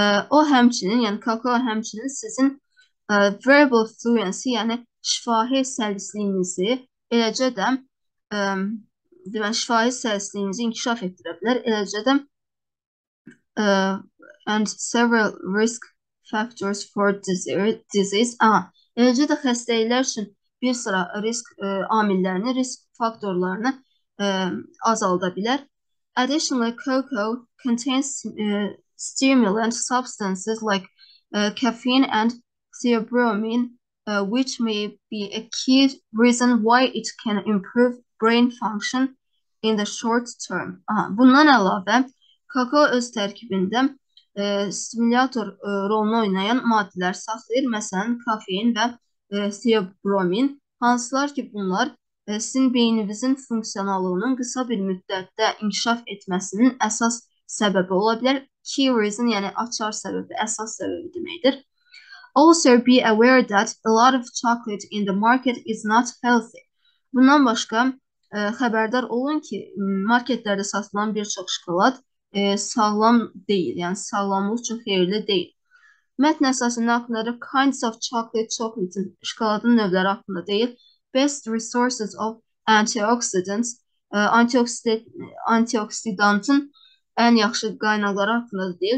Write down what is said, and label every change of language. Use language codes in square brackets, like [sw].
[az] O hemçinin, yani kakao hemçinin sizin [en] verbal fluency, [az] yani şifahi sersliğinizi, eləcə də şifahi sersliğinizi inkişaf etdirə bilər. Eləcə də [en] and several risk factors for disease. [az] Eləcə də xəstəliklər üçün bir sıra risk amillərini, risk faktorlarını azalda bilər. [en] Additionally, cocoa contains stimulant substances like caffeine and theobromine, which may be a key reason why it can improve brain function in the short term. [az] Bundan əlavə, kakao öz tərkibində stimulator rolunu oynayan maddələr saxlayır, məsələn, kafein və theobromin, hansılar ki bunlar sizin beyninizin funksionallığının qısa bir müddətdə inkişaf etməsinin əsas səbəbi ola bilər. [en] Key reason, [az] yəni açar səbəbi, əsas səbəbi deməkdir. [en] Also be aware that a lot of chocolate in the market is not healthy. [az] Bundan başqa xəbərdar olun ki, marketlərdə satılan bir çox şokolad sağlam deyil, yəni sağlamlıq üçün xeyirli deyil. Mətn əsasında haqları [en] kinds of chocolate, [az] şokoladın növləri haqqında deyil. [en] Best resources of antioxidants, [az] antioksidantın ən yaxşı qaynaqları haqqında deyil.